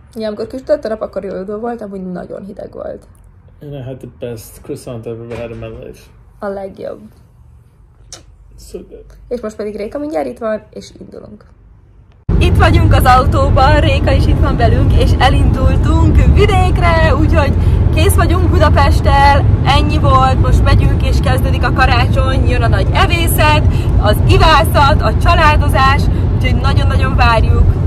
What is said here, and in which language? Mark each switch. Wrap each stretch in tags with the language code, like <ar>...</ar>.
<hu>Yeah, amikor kisütött a nap, akkor jó idő volt, amúgy nagyon hideg volt.</hu> <en>And I had the best croissant I've ever had in my life.</en> <hu>A legjobb. Abszolút. És most pedig Réka mindjárt itt van, és indulunk. Itt vagyunk az autóban, Réka is itt van velünk, és elindultunk vidékre, úgyhogy kész vagyunk Budapesttel, ennyi volt, most megyünk, és kezdődik a karácsony, jön a nagy evészet, az ivászat, a családozás, úgyhogy nagyon-nagyon várjuk.</hu>